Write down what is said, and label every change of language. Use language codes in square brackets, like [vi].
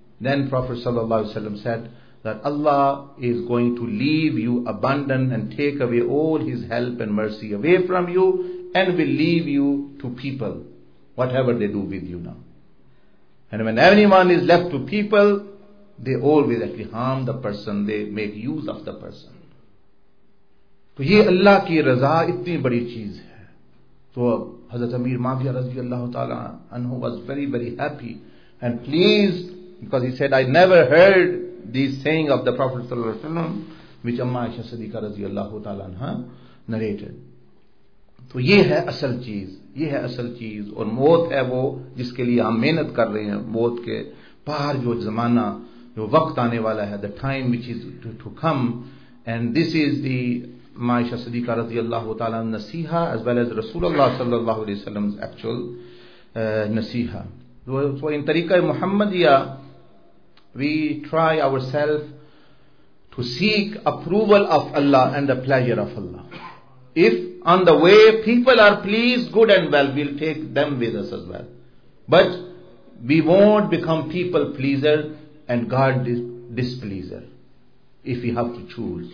[en] Then Prophet sallallahu alaihi wasallam said that Allah is going to leave you abundant and take away all his help and mercy away from you, and will leave you to people, whatever they do with you now. And when anyone is left to people, they always actually harm the person, they make use of the person. [ur] تو یہ اللہ کی رضا اتنی بڑی چیز ہے. [en] تو حضرت امیر معاویہ رضی اللہ تعالی عنہ was very very happy and pleased because he said I never heard this saying of the Prophet صلی اللہ علیہ وسلم which امہ عائشہ صدیقہ رضی اللہ تعالی عنہ narrated. [ur] تو یہ ہے اصل چیز, یہ ہے اصل چیز, اور موت ہے وہ جس کے لیے ہم محنت کر رہے ہیں. موت کے پار جو زمانہ, جو وقت آنے والا ہے, [en] the time which is to come, and this is the Aisha Siddiqa رضی اللہ تعالیٰ نصیحہ as well as رسول اللہ صلی اللہ علیہ وسلم's actual نصیحہ. So in طریقہ محمدیہ we try ourselves to seek approval of Allah and the pleasure of Allah. If on the way people are pleased, good and well, we'll take them with us as well, but we won't become people pleaser and God displeaser if we have to choose.